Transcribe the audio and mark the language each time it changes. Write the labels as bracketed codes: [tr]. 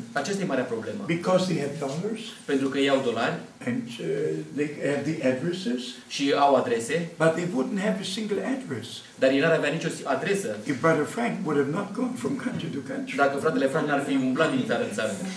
[ro] Aceasta e marea problemă. [en] Because they have dollars. [ro] Pentru că ei au dolari. [en] And they have the addresses. [ro] Și au adrese. [en] But they wouldn't have a single address. [ro] Dar ei n-ar avea nicio adresă. [en] If Brother Frank would have not gone from country to country. [ro] Dacă fratele Frank n-ar fi umblat din țară în țară.